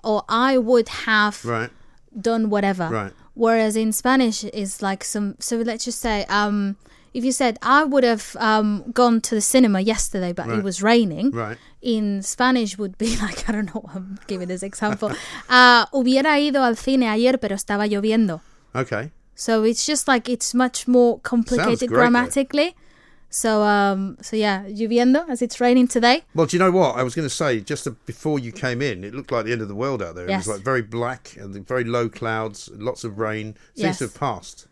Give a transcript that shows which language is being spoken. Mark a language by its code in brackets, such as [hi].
[en] Or I would have done whatever. Right. Whereas in Spanish, it's like some... So let's just say, if you said, I would have gone to the cinema yesterday, but it was raining. Right. In Spanish would be like, I don't know why I'm giving this example. [es] hubiera ido al cine ayer, pero estaba lloviendo. [en] Okay. So it's just like it's much more complicated grammatically. So lloviendo as it's raining today. Well, do you know what? I was going to say, just before you came in, it looked like the end of the world out there. Yes. It was like very black and very low clouds, lots of rain. Seems to have passed.